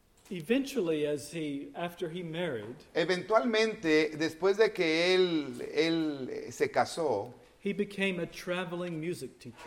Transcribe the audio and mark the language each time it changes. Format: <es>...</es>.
<en>Eventually, after he married,</en> <es>eventualmente, después de que él se casó,</es> <en>he became a traveling music teacher.</en>